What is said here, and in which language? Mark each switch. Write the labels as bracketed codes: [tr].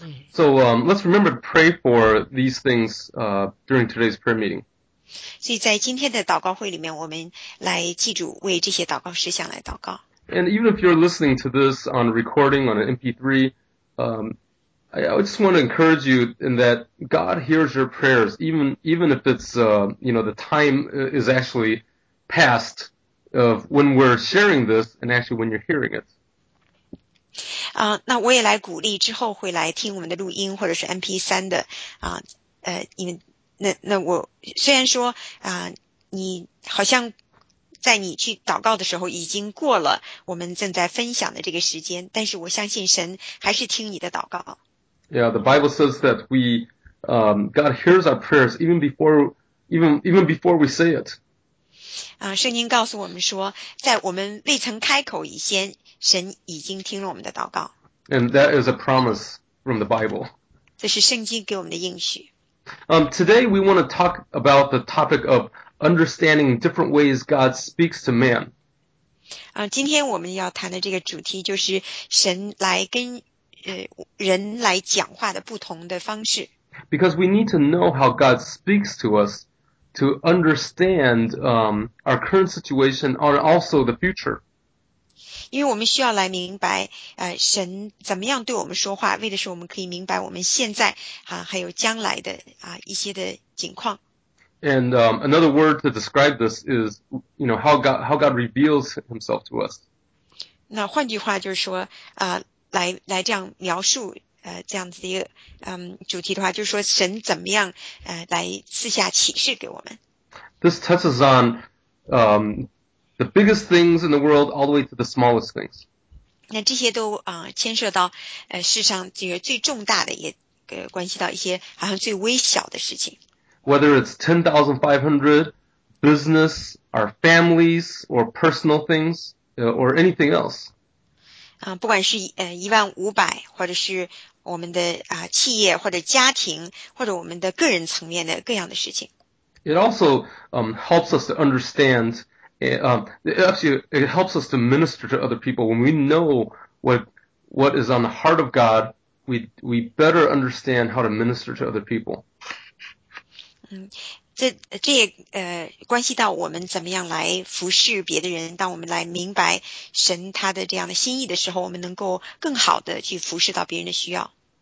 [en] So let's remember to pray for these things during today's prayer meeting. [zh] 所以在今天的祷告会里面，我们来记住为这些祷告事项来祷告。 [en] And even if you're listening to this on a recording on an MP3, I just want to encourage you in that God hears your prayers, even if it's the time is actually past of when we're sharing this and actually when you're hearing it. [zh] 那我也来鼓励之后会来听我们的录音或者是 MP3 的因为那我虽然说你好像在你去祷告的时候已经过了我们正在分享的这个时间，但是我相信神还是听你的祷告。 [en] Yeah, the Bible says that we, God hears our prayers even before we say it. [zh] 圣经告诉我们说，在我们未曾开口以前，神已经听了我们的祷告。 [en] And that is a promise from the Bible. [zh] 这是圣经给我们的应许。 [en] Today we want to talk about the topic of understanding different ways God speaks to man. [zh] 今天我们要谈的这个主题就是神来跟人来讲话的不同的方式。 [en] Because we need to know how God speaks to us to understand our current situation or also the future. [zh] 因为我们需要来明白神怎么样对我们说话，为的是我们可以明白我们现在还有将来的一些的景况。 [en] And another word to describe this is, you know, how God reveals himself to us. [zh] 那换句话就是说来这样描述这样子的一个主题的话，就是说神怎么样来赐下启示给我们。 [en] This touches on the biggest things in the world all the way to the smallest things. [zh] 那这些都牵涉到世上最重大的，也关系到一些好像最微小的事情。 [en] Whether it's 10,500, business, our families, or personal things, or anything else. [zh] 不管是1,500或者是我们的企业或者家庭或者我们的个人层面的各样的事情。 [en] It also helps us to understand, it helps us to minister to other people. When we know what is on the heart of God, we better understand how to minister to other people. [zh] 这也关系到我们怎么样来服侍别的人。当我们来明白神他的这样的心意的时候，我们能够更好的去服侍到别人的需要。